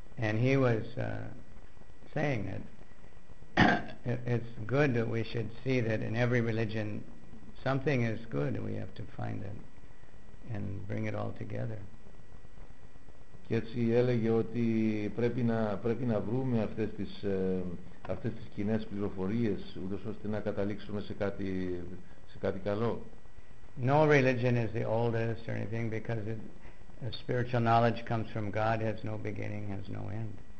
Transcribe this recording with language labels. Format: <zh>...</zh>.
<en>And he was saying that it's good that we should see that in every religion something is good and we have to find it and bring it all together.</en> <el>Και έτσι έλεγε ότι πρέπει να βρούμε αυτές τις κοινές πληροφορίες ούτως ώστε να καταλήξουμε σε κάτι καλό.</el> <en>No religion is the oldest or anything because a spiritual knowledge comes from God, has no beginning, has no end.</en>